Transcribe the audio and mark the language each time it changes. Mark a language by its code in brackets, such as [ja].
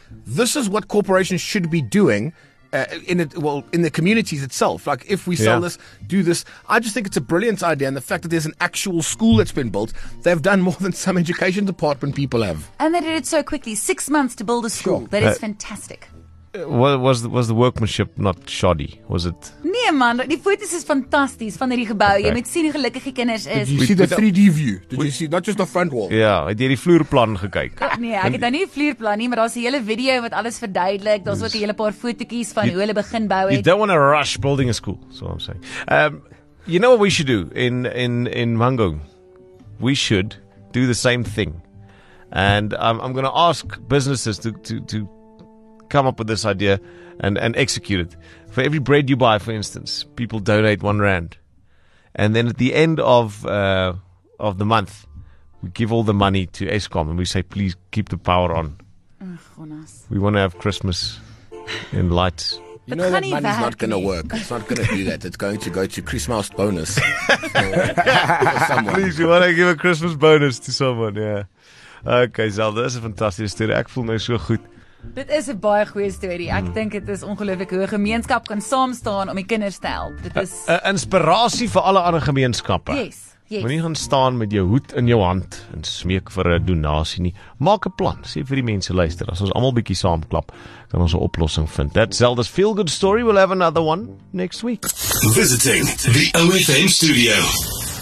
[en] This is what corporations should be doing. In the communities itself, like if we sell this, do this, I just think it's a brilliant idea, and the fact that there's an actual school that's been built, they've done more than some education department people have, and they did it so quickly. 6 months to build a school. Sure. That is fantastic. Was the workmanship not shoddy? Was it? [af] Nee man, die foto's is fantasties van hierdie gebou. Okay. Jy moet sien hoe gelukkig die kinders is. [en] Did you see the 3D view? Did you see not just the front wall? [af] Ja, het jy die vloerplan gekyk? Nee, ek het nou nie 'n vloerplan nie, maar daar's 'n hele video wat alles verduidelik. Daar's ook 'n hele paar fotootjies van hoe hulle begin bou het. [en] You don't want to rush building a school, so I'm saying. You know what we should do in Mangaung? We should do the same thing. And I'm going to ask businesses to come up with this idea and execute it. For every bread you buy, for instance, people donate R1. And then at the end of the month, we give all the money to Eskom and we say, please keep the power on. We want to have Christmas in lights. You know that money's not going to work. It's not going to do that. It's going to go to Christmas bonus. For please, you want to give a Christmas bonus to someone, Okay, Zelda, that's a fantastic story. I feel me so good. [af] Dit is 'n baie goeie storie. Ek dink dit is ongelooflik hoe 'n gemeenskap kan saam staan om die kinders te help. Dit is 'n inspirasie vir alle ander gemeenskappe. [en] Yes. Yes. [af] Moenie gaan staan met jou hoed in jou hand en smeek vir 'n donasie nie. Maak 'n plan, sê vir die mense luister. As ons almal bietjie saamklap, kan ons 'n oplossing vind. [en] That's Zelda's feel good story. We'll have another one next week. Visiting the OFM studio.